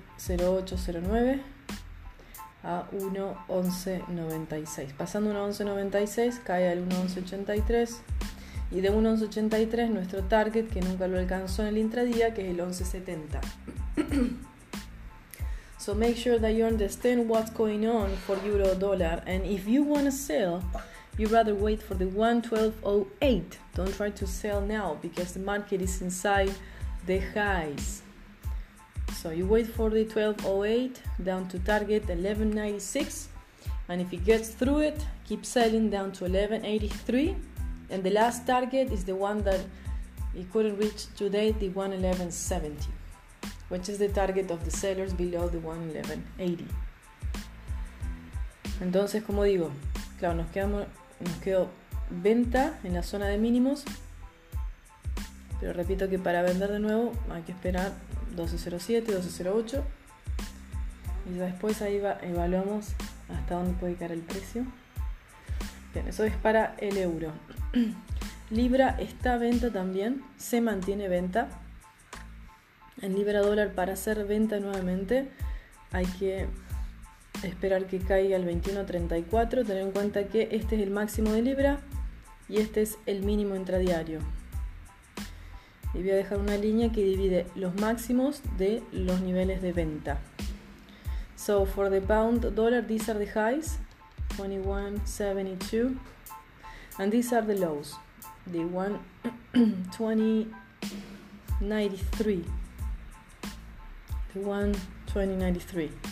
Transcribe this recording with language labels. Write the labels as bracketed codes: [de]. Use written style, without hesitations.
[es] 1.1208.09 a 1.1196. Pasando 1.1196, cae al 1.1183. Y de 1.1183, nuestro target, que nunca lo alcanzó en el intradía, que es el 1.1170. [en] So make sure that you understand what's going on for euro dollar. And if you want to sell, you rather wait for the 1.1208. Don't try to sell now because the market is inside the highs. So you wait for the 1208 down to target 1196. And if it gets through it, keep selling down to 1183. And the last target is the one that it couldn't reach today, the 1.1170, which is the target of the sellers below the 1.1180. [es] Entonces, como digo, claro, nos quedó venta en la zona de mínimos, pero repito que para vender de nuevo hay que esperar 12.07, 12.08, y ya después ahí evaluamos hasta dónde puede caer el precio. Bien, eso es para el euro. Libra está a venta también, se mantiene venta. En libra dólar, para hacer venta nuevamente, hay que esperar que caiga al 21.34. Tener en cuenta que este es el máximo de libra y este es el mínimo intradiario. Y voy a dejar una línea que divide los máximos de los niveles de venta. [en] So, for the pound dollar, these are the highs. 21.72. And these are the lows, the 1.2093, the 1.2093.